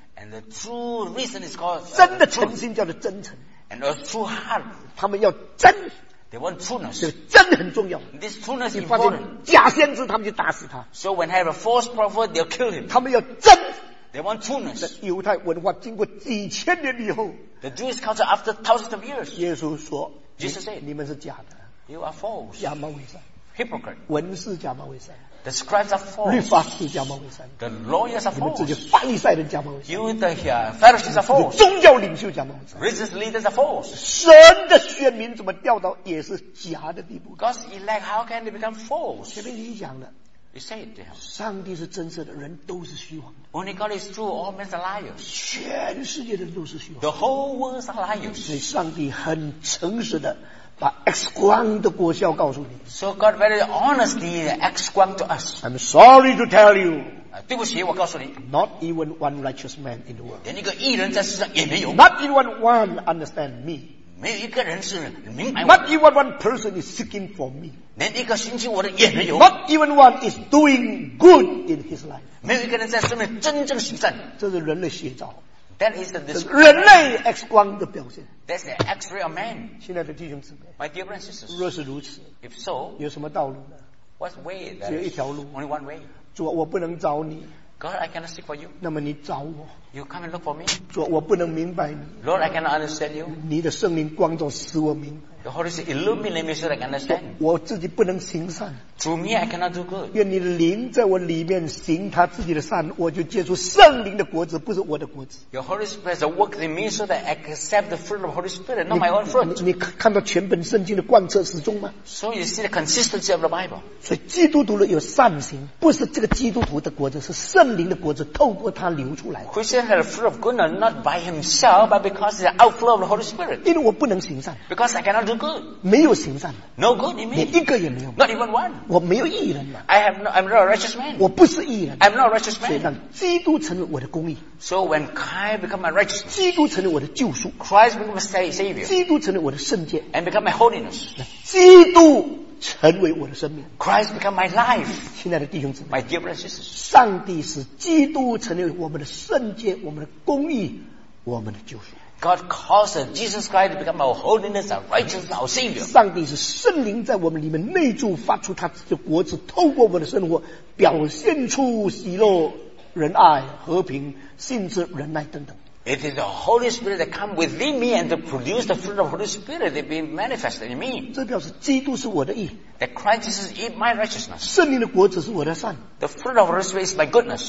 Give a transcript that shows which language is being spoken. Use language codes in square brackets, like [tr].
[en] And the true reason is called, [zh] 真的诚心叫做真诚。 [en] And a true heart. [zh] 他们要真。 [en] They want trueness. [zh] 真的很重要。 [en] This trueness is important. [zh] 你发现假先知他们就打死他。 [en] So when they have a false prophet, they'll kill him. [zh] 他们要真。 [en] They want trueness. [zh] 犹太文化经过几千年以后 [en] ，The Jewish culture after thousands of years. [zh] 耶稣说 [en] ，Jesus said, [zh] 你们是假的 [en] ，You are false. [zh] 假冒伪善 [en] hypocrite. [zh] 文士假冒为善。 [en] The scribes are false. [zh] 律法师假冒为善。 [en] The lawyers are false. [zh] 你们自己法利赛人假冒为善。 [en] You the Pharisees are false. [zh] 宗教领袖假冒为善。 [en] Religious leaders are false. [zh] 神的选民怎么掉到也是假的地步 [en] ？God's elect, how can they become false? [zh] 前面已经讲了。上帝是真实的，人都是虚妄的。 [en] Only God is true, all men are liars. [zh] 全世界的人都是虚妄的。 [en] The whole world is a liar. [zh] 所以上帝很诚实的把 X 光的果效告诉你。 [en] So God very honestly X 光 to us. I'm sorry to tell you. [zh] 对不起，我告诉你。 [en] Not even one righteous man in the world. [zh] 连一个义人在世上也没有。 [en] Not even one understand me. [zh] 没有一个人是明白。 [en] Not even one person is seeking for me. [zh] 连一个寻求我的也没有。 [en] Not even one is doing good in his life. [zh] 没有一个人在生命真正行善。这是人类写照。 [en] That is the [zh] 人类 X 光的表现。 [en] That's the X-ray of man. [zh] 亲爱的弟兄姊妹。 [en] My dear brothers and sisters. [zh] 若是如此。 [en] If so. [zh] 有什么道路呢 [en] ？What way? [zh] 只有一条路。 [en] Only one way. [zh] 主，我不能找你。 [en] God, I cannot seek for you. [zh] 那么你找我。 [en] You come and look for me. [zh] 主，我不能明白你。 [en] Lord, I cannot understand you. [zh] 你的圣灵光照使我明白。 [en] The Holy Spirit illuminate me so I can understand. [zh] 我自己不能行善。 [en] Through me, I cannot do good. [zh] 愿你的灵在我里面行他自己的善，我就结出圣灵的果子，不是我的果子。 [en] Your Holy Spirit works in me so that I accept the fruit of the Holy Spirit, not my own fruit. [zh] 你看到全本圣经的贯彻始终吗 [en] ？So you see the consistency of the Bible. [zh] 所以基督徒的有善行，不是这个基督徒的果子，是圣灵的果子透过他流出来。 [en] Christian has the fruit of goodness not by himself, but because it's the outflow of the Holy Spirit. [zh] 因为我不能行善。 [en] Because I cannot do good. [zh] 没有行善。 [en] No good in me. [zh] 连一个也没有。 [en] Not even one. [zh] 我没有义人嘛 [en] I have no, I'm not a righteous man. [zh] 我不是义人。 [en] I'm not a righteous man. [zh] 所以让基督成为我的公义。 [en] So when Christ become my righteousness, [zh] 基督成为我的救赎。 [en] Christ become my savior. [zh] 基督成为我的圣洁。 [en] And become my holiness. [zh] 基督成为我的生命。 [en] Christ become my life. [zh] 亲爱的弟兄姊妹。 [en] My dear brothers and sisters. [zh] 上帝使基督成为我们的圣洁、我们的公义、我们的救赎。 [en] God causes Jesus Christ to become our holiness, our righteousness, our Savior. [zh] 上帝是圣灵在我们里面内住，发出他自己的果子，透过我们的生活表现出喜乐、仁爱、和平、信实、仁爱等等。 [en] It is the Holy Spirit that comes within me and to produce the fruit of the Holy Spirit that being manifested in me. [zh] 这表示基督是我的义。 [en] That Christ is my righteousness. [zh] 圣灵的果子是我的善。 [en] The fruit of the Holy Spirit is my goodness.